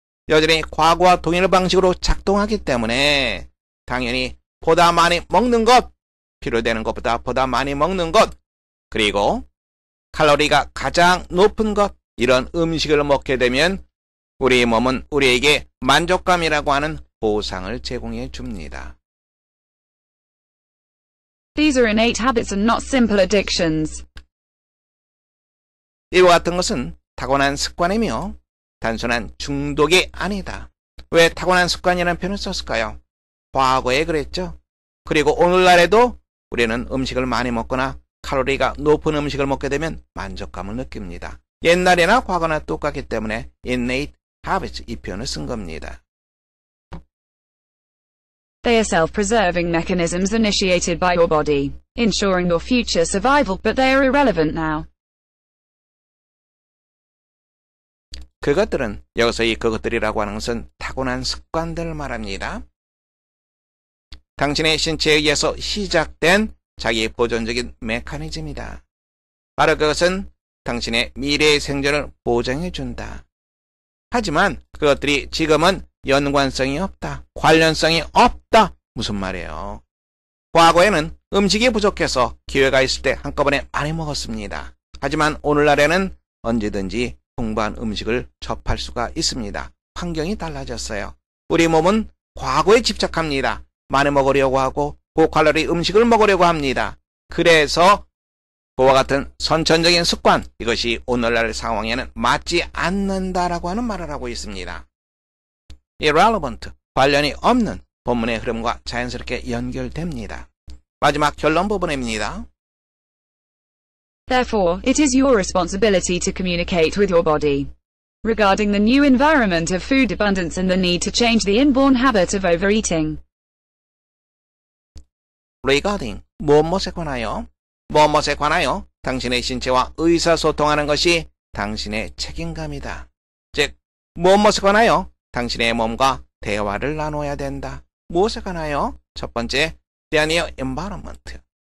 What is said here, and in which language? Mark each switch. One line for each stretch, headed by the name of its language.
Korean: 여전히 과거와 동일 방식으로 작동하기 때문에 당연히 보다 많이 먹는 것, 필요되는 것보다 보다 많이 먹는 것, 그리고 칼로리가 가장 높은 것, 이런 음식을 먹게 되면 우리의 몸은 우리에게 만족감이라고 하는 보상을 제공해 줍니다.
English: These are innate habits and not simple addictions.
Korean: 이와 같은 것은 타고난 습관이며 단순한 중독이 아니다. 왜 타고난 습관이라는 표현을 썼을까요? 과거에 그랬죠. 그리고 오늘날에도 우리는 음식을 많이 먹거나 칼로리가 높은 음식을 먹게 되면 만족감을 느낍니다. 옛날이나 과거나 똑같기 때문에
English: innate habits
Korean: 이 표현을 쓴 겁니다.
English: They are self-preserving mechanisms initiated by your body, ensuring your future survival, but they are irrelevant now.
Korean: 그것들은, 여기서 이 그것들이라고 하는 것은 타고난 습관들을 말합니다. 당신의 신체에 의해서 시작된 자기 보존적인 메커니즘이다. 바로 그것은 당신의 미래의 생존을 보장해준다. 하지만 그것들이 지금은 연관성이 없다. 관련성이 없다. 무슨 말이에요? 과거에는 음식이 부족해서 기회가 있을 때 한꺼번에 많이 먹었습니다. 하지만 오늘날에는 언제든지 풍부한 음식을 접할 수가 있습니다. 환경이 달라졌어요. 우리 몸은 과거에 집착합니다. 많이 먹으려고 하고 고칼로리 음식을 먹으려고 합니다. 그래서 그와 같은 선천적인 습관, 이것이 오늘날 상황에는 맞지 않는다라고 하는 말을 하고 있습니다. Irrelevant, 관련이 없는 본문의 흐름과 자연스럽게 연결됩니다. 마지막 결론 부분입니다.
English: Therefore, it is your responsibility to communicate with your body. Regarding the new environment of food abundance and the need to change the inborn habit of overeating.
Korean: Regarding, 무엇에 관하여? 무엇에 관하여? 당신의 신체와 의사소통하는 것이 당신의 책임감이다. 즉, 무엇에 관하여? 당신의 몸과 대화를 나눠야 된다. 무엇에 관하여? 첫 번째,
English: the new environment.